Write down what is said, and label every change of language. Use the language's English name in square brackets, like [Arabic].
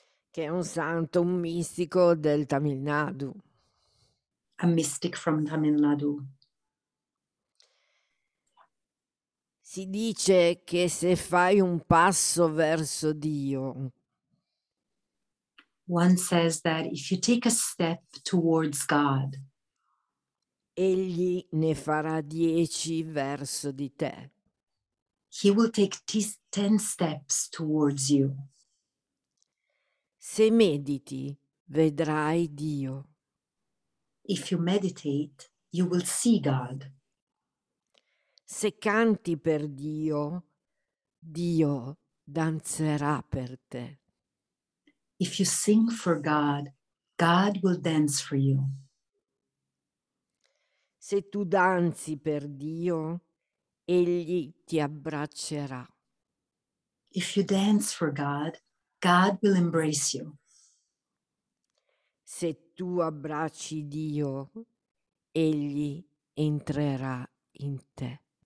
[Italian] Che è un santo, un mistico del Tamil Nadu. [English] A mystic from Tamil Nadu. [Italian] Si dice che se fai un passo verso Dio. [English] One says that if you take a step towards God, [Italian] egli ne farà 10 verso di te. [English] He will take 10 steps towards you. [Italian] Se mediti, vedrai Dio. [English] If you meditate, you will see God. [Italian] Se canti per Dio, Dio danzerà per te. [English] If you sing for God, God will dance for you. [Italian] Se tu danzi per Dio, egli ti abbraccerà. [English] If you dance for God, God will embrace you. [Italian] Se tu abbracci Dio, egli entrerà in te.